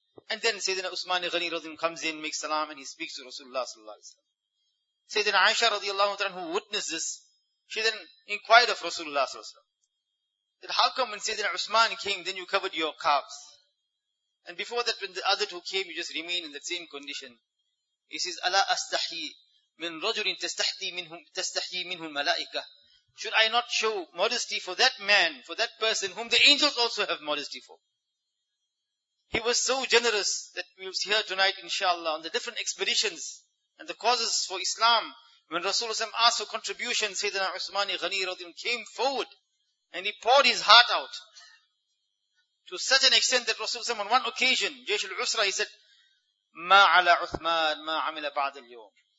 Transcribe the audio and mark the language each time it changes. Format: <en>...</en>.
<en>And then Sayyidina Uthman Ghani radiallahu anhu comes in, makes salam, and he speaks to Rasulullah sallallahu alayhi wa sallam. Sayyidina Aisha radiallahu anhu, who witnessed this, she then inquired of Rasulullah sallallahu alayhi wa sallam, that how come when Sayyidina Uthman came, then you covered your calves? And before that, when the other two came, you just remained in that same condition. He says,</en> <ar>أَلَا أَسْتَحْيِي مِنْ رَجُلٍ تَسْتَحْيِي مِنْهُ الْمَلَائِكَةِ.</ar> <en>Should I not show modesty for that man, for that person, whom the angels also have modesty for? He was so generous that we will see here tonight, inshallah, on the different expeditions and the causes for Islam. When Rasulullah asked for contribution, Sayyidina Uthman Ghani came forward and he poured his heart out to such an extent that Rasulullah on one occasion, Jaysh al-Usra, he said,</en> <ar>"Ma ala Uthman ma amila ba'd al-yawm."</ar>